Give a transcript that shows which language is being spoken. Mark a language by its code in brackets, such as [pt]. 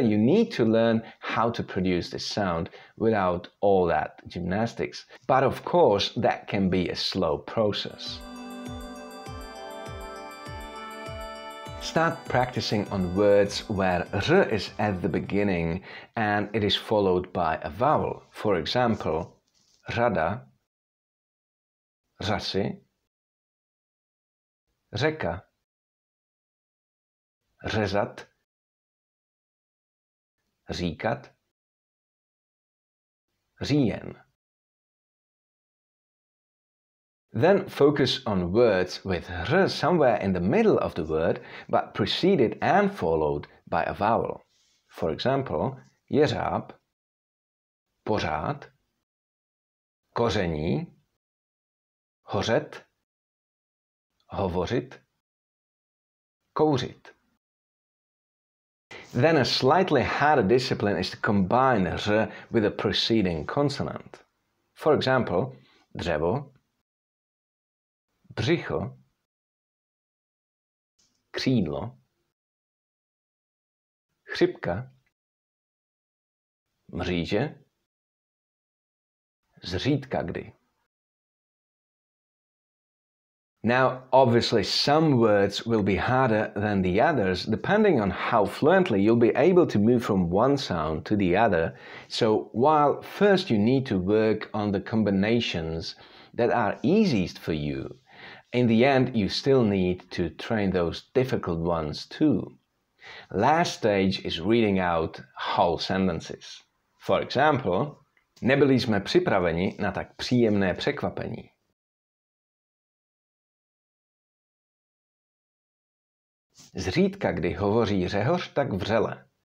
[en] You need to learn how to produce this sound without all that gymnastics. But of course, that can be a slow process. Start practicing on words where r is at the beginning and it is followed by a vowel. For example, [cs] řada. Řasy, řeka, řezat, říkat, říjen. [en] Then focus on words with r somewhere in the middle of the word, but preceded and followed by a vowel. For example, [cs] jeřáb, pořád, koření, hořet, hovořit, kouřit. [en] Then a slightly harder discipline is to combine r with a preceding consonant. For example, [cs] dřevo, břicho, křídlo, chřipka, mříže, zřídkakdy. [en] Now, obviously, some words will be harder than the others, depending on how fluently you'll be able to move from one sound to the other. So, while first you need to work on the combinations that are easiest for you, in the end, you still need to train those difficult ones too. Last stage is reading out whole sentences. For example, [cs] nebyli jsme připraveni na tak příjemné překvapení. Zřídka, kdy hovoří Řehoř tak vřele.